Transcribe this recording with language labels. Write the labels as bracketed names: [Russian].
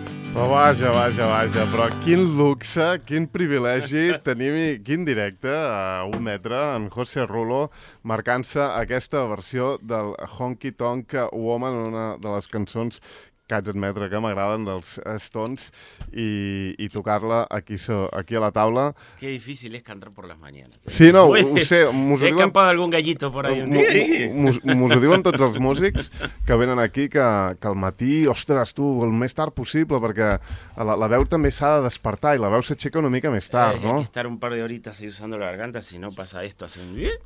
[Catalan] Però vaja, vaja, vaja, però quin luxe, quin privilegi tenir quin directe a un metre en José Rulo marcant-se aquesta versió del Honky Tonk Woman, una de les cançons que haig d'admetre que m'agraden dels Stones, i tocar-la aquí a la taula. [Spanish] Qué difícil es cantar por las mañanas. [Catalan] Sí, no, ho sé. [Spanish] Se ha escapado algún gallito por ahí. [Catalan] M'ho diuen tots els músics que venen aquí, que al matí, ostres, tu, el més tard possible, perquè la veu també s'ha de despertar i la veu s'aixeca una mica més tard, no? [Spanish] Hay que estar un par de horitas ahí usando la garganta, si no pasa esto, hace un...